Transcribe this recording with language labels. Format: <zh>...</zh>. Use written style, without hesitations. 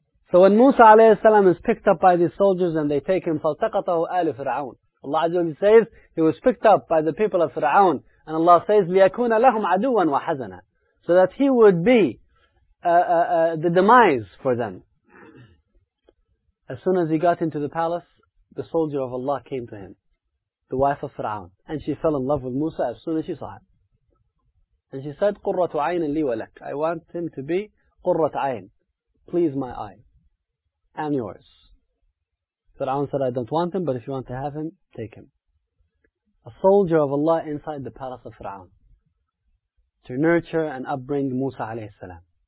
<en>So when Musa alayhi salam is picked up by these soldiers and they take him,</en> <ar>فَالْتَقَطَهُ آلُ فِرْعَوْنَ,</ar> <en>Allah Azza wa Jal says, he was picked up by the people of Fir'aun, and Allah says,</en> <ar>لِيَكُونَ لَهُمْ عَدُوًا وَحَزَنًا,</ar> <en>so that he would be the demise for them. As soon as he got into the palace, the soldier of Allah came to him, the wife of Fir'aun. And she fell in love with Musa as soon as she saw him. And she said,</en> <ar>قُرَّةُ عَيْنٍ لِي وَلَكْ.</ar> <en>I want him to be</en> <ar>قُرَّةُ عَيْنٍ.</ar> <en>Please my eye. And yours. Fir'aun said, I don't want him, but if you want to have him, take him. A soldier of Allah inside the palace of Fir'aun, to nurture and upbring Musa alayhi salam.</en>